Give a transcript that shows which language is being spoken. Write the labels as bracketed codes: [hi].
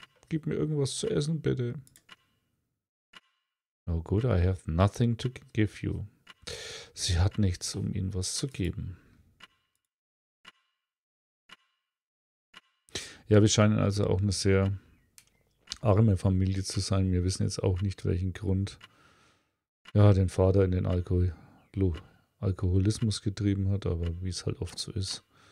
[de] Gib mir irgendwas zu essen, bitte. [en] Oh good, I have nothing to give you. [de] Sie hat nichts, um ihnen was zu geben. Ja, wir scheinen also auch eine sehr arme Familie zu sein. Wir wissen jetzt auch nicht, welchen Grund den Vater in den Alkoholismus getrieben hat, aber wie es halt oft so ist.